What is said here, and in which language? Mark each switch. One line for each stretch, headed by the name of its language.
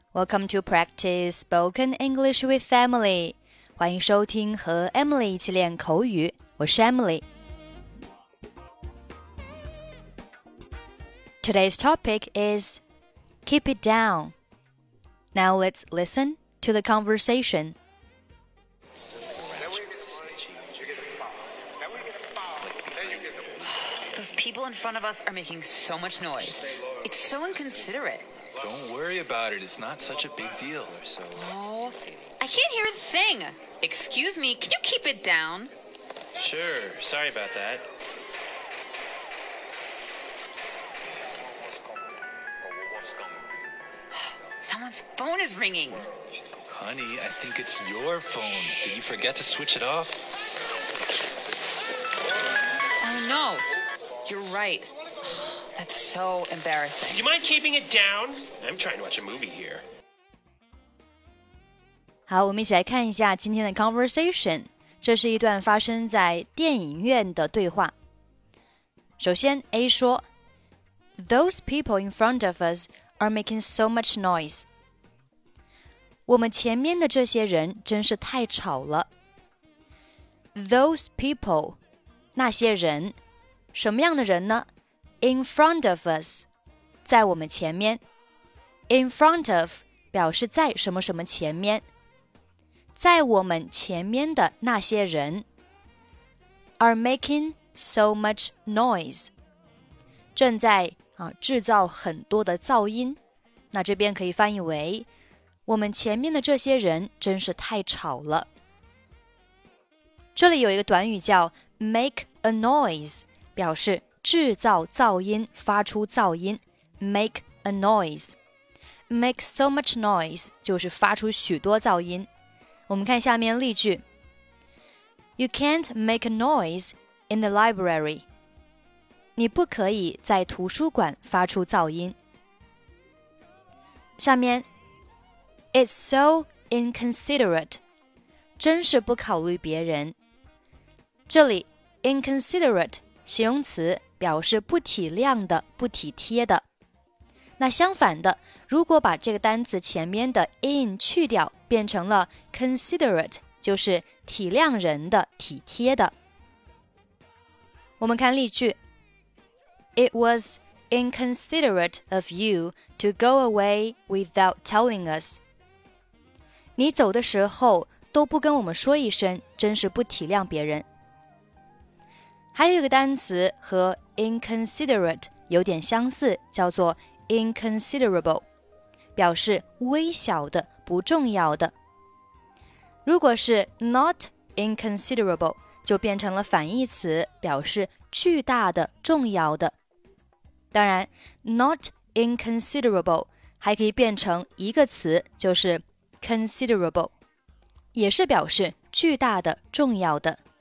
English: Welcome to practice spoken English with Emily.
Chinese: 欢迎收听和 Emily 一起练口语。我是 Emily.
English: Today's topic is keep it down. Now let's listen to the conversation. The people in front of us are making so much noise. It's so inconsiderate. Don't worry about it. It's not such a big deal or so. No, I can't hear a thing. Excuse me, can you keep it down? Sure. Sorry about that. Someone's phone is ringing. Honey, I think it's your phone. Did you forget to switch it off? Oh, no. You're right. That's so embarrassing. Do you mind keeping it down? I'm trying to watch a movie here.
Chinese: 好，我们一起来看一下今天的 conversation. 这是一段发生在电影院的对话。首先 ,A 说
English: ,Those people in front of us are making so much noise.
Chinese: 我们前面的这些人真是太吵了。
English: Those people,
Chinese: 那些人,什么样的人呢 ?
English: In front of us,
Chinese: 在我们前面。 In front of 表示在什么什么前面，在我们前面的那些人
English: are making so much noise，
Chinese: 正在制造很多的噪音。那这边可以翻译为我们前面的这些人真是太吵了。这里有一个短语叫 make a noise， 表示制造噪音，发出噪音 make a noise。 Make so much noise 就是发出许多噪音。我们看下面例句。
English: You can't make a noise in the library.
Chinese: 你不可以在图书馆发出噪音。下面
English: It's so inconsiderate.
Chinese: 真是不考虑别人。这里 inconsiderate 形容词表示不体谅的、不体贴的。那相反的，如果把这个单词前面的 in 去掉，变成了 considerate， 就是体谅人的、体贴的。我们看例句
English: ：It was inconsiderate of you to go away without telling us.
Chinese: 你走的时候都不跟我们说一声，真是不体谅别人。还有一个单词和 inconsiderate 有点相似，叫做。 Inconsiderable 表示微小的不重要的如果是 not inconsiderable 就变成了反义词表示巨大的重要的当然 not inconsiderable 还可以变成一个词就是 considerable 也是表示巨大的重要的